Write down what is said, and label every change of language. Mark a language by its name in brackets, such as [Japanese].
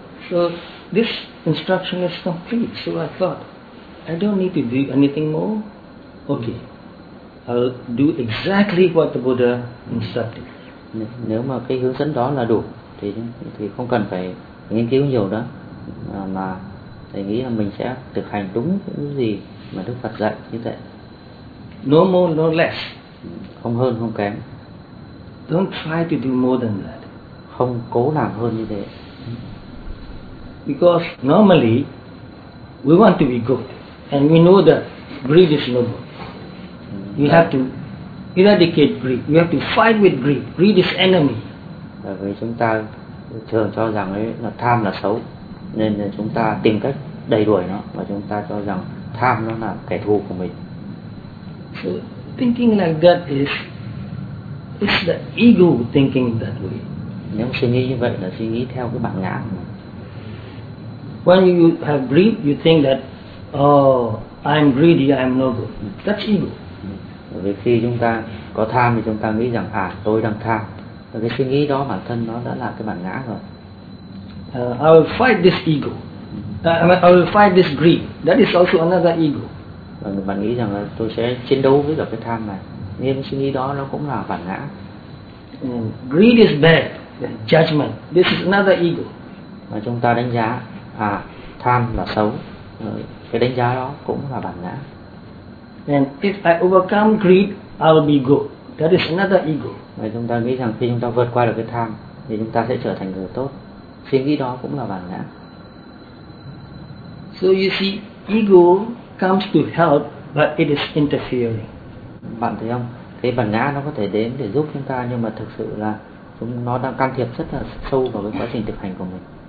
[English] So this instruction is complete, so I thought I don't need to do anything more. Okay, I'll do exactly what the Buddha instructed. [Vietnamese] Nếu mà cái hướng dẫn đó là đủ thì không cần phải nghiên cứu nhiều đó, mà thầy nghĩ là mình sẽ thực hành đúng những gì mà Đức Phật dạy như vậy. [English] No more, no less. [Vietnamese] Không hơn, không kém. [English] Don't try to do more than that. [Vietnamese] Không cố làm hơn như thế. [English] Because normally we want to be good, and we know that greed is no good. You have to eradicate greed. You have to fight with greed. Greed is enemy. [Vietnamese] Bởi vì chúng ta thường cho rằng ấy là tham là xấu, nên chúng ta tìm cách đẩy đuổi nó, và chúng ta cho rằng tham nó là kẻ thù của mình. [English] So thinking like that is, it's the ego thinking that way. [Vietnamese] Nếu suy nghĩ như vậy là suy nghĩ theo cái bản ngã. [English] When you have greed, you think that, oh, I'm greedy, I'm no good. That's ego. [Vietnamese] Bởi vì khi chúng ta có tham thì chúng ta nghĩ rằng, à, tôi đang tham. Và cái suy nghĩ đó bản thân nó đã là cái bản ngã rồi. [English] I will fight this ego. I will fight this greed. That is also another ego. [Vietnamese] Và bạn nghĩ rằng là tôi sẽ chiến đấu với cả cái tham này. Nhưng suy nghĩ đó nó cũng là bản ngã. [English] Greed is bad. Judgment. This is another ego. [Vietnamese] Và chúng ta đánh giá, à, tham là xấu. Cái đánh giá đó cũng là bản ngã. [English] And if I overcome greed, I'll be good. That is another ego. [Vietnamese] Và chúng ta nghĩ rằng khi chúng ta vượt qua được cái tham, thì chúng ta sẽ trở thành người tốt. Suy nghĩ đó cũng là bản ngã. [English] So you see, ego comes to help, but it is interfering. [Vietnamese] Bạn thấy không? Cái bản ngã nó có thể đến để giúp chúng ta, nhưng mà thực sự là nó đang can thiệp rất là sâu vào cái quá trình thực hành của mình.